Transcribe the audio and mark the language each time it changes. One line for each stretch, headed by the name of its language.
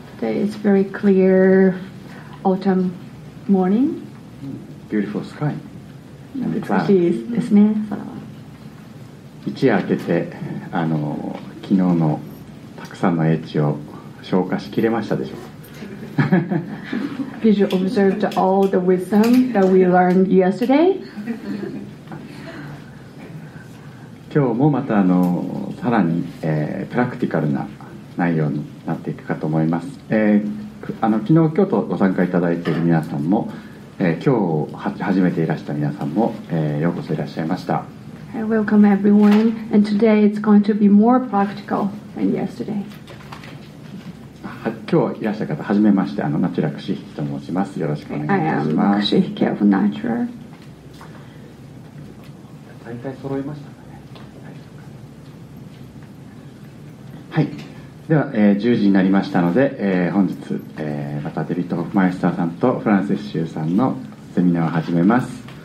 English: Today is very clear autumn morning. Beautiful sky.
Japanese: 美しいですね、空は。一夜明けて、昨日のたくさんの英知を消化しきれましたでしょうか。
English: Did you observe all the wisdom that we learned yesterday?
Japanese: 今日もまたさらに、プラクティカルな内容になっていくかと思います、昨日京都ご参加いただいている皆さんも、今日初めていらした皆さんも、ようこそいらっしゃいました。
English: Welcome everyone. And today it's going to be more practical than yesterday.
Japanese: 今日いらっしゃる方、初めまして、ナチュラクシヒキと申します。よろしくお願いします。クシヒキ of ナチュラ。大体揃いましたかね。はい。では、10時になりましたので、本日、またデビッド・ホフマイスターさんとフランセス・シューさんのセミナーを始めます。